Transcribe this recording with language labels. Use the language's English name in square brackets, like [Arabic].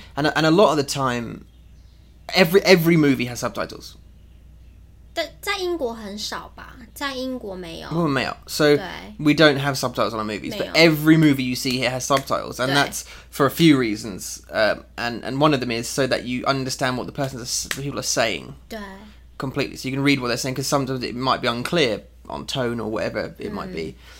[English] And a lot of the time, every movie has subtitles. [Chinese] 在英国很少吧，在英国没有。我们没有。 [English] So, we don't have subtitles on our movies, but every movie you see here has subtitles, and that's for a few reasons. And one of them is so that you understand what the people are saying. [Chinese] 对. [English] Completely. So you can read what they're saying, because sometimes it might be unclear on tone or whatever it might be.